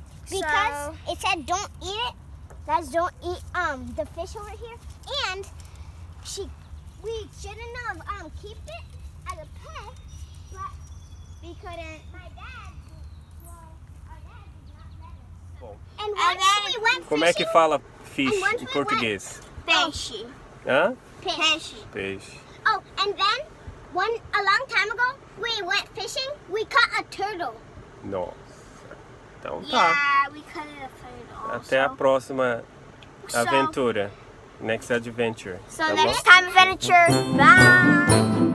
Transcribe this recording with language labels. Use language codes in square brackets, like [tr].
[en] Because it said don't eat it. That's don't eat the fish over here. And we shouldn't have keep it as a pet, but we couldn't. Our dad did not let us. [pt] Bom. [en] And then we went fishing. [pt] Como é que fala [en] fish [pt] em português? Peixe. Hã? Peixe. [en] Oh, and then a long time ago we went fishing, we caught a turtle. [pt] Nossa, então [en] yeah, [pt] tá. [en] We cut it also. [pt] Até a próxima aventura. [en] Next adventure. So, next time adventure. Bye!